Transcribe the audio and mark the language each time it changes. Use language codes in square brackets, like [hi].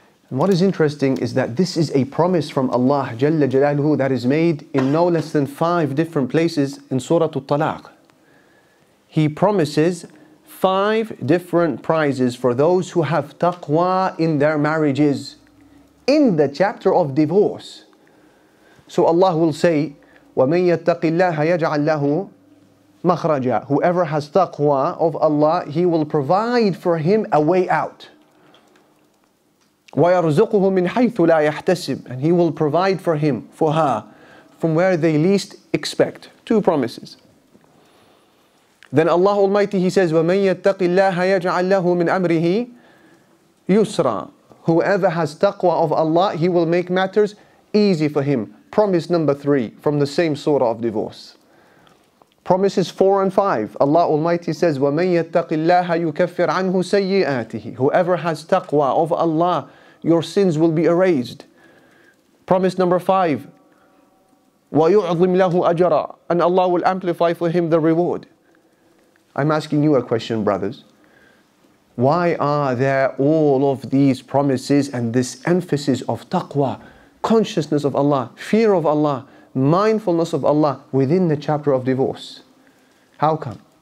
[en] And what is interesting is that this is a promise from Allah Jalla Jalaluhu that is made in no less than 5 different places in Surah At-Talaq. He promises 5 different prizes for those who have taqwa in their marriages in the chapter of divorce. So Allah will say, [ar] وَمَنْ يَتَّقِ اللَّهَ يَجْعَلْ لَهُ مَخْرَجًا. [en] Whoever has taqwa of Allah, He will provide for him a way out. [ar] وَيَرْزُقُهُ مِنْ حَيْثُ لَا يَحْتَسِبْ. [en] And He will provide for him, for her, from where they least expect. 2 promises. Then Allah Almighty, He says, [ar] وَمَنْ يَتَّقِ اللَّهَ يَجْعَلْ لَهُ مِنْ أَمْرِهِ يُسْرًا. [en] Whoever has taqwa of Allah, He will make matters easy for him. Promise number 3 from the same surah of divorce. Promises 4 and 5. Allah Almighty says, [ar] وَمَنْ يَتَّقِ اللَّهَ يُكَفِّرْ عَنْهُ سَيِّئَاتِهِ. [en] Whoever has taqwa of Allah, your sins will be erased. Promise number 5. [ar] وَيُعْظِمْ لَهُ أَجْرًا. [en] And Allah will amplify for him the reward. I'm asking you a question, brothers. Why are there all of these promises and this emphasis of taqwa, consciousness of Allah, fear of Allah, mindfulness of Allah within the chapter of divorce? How come?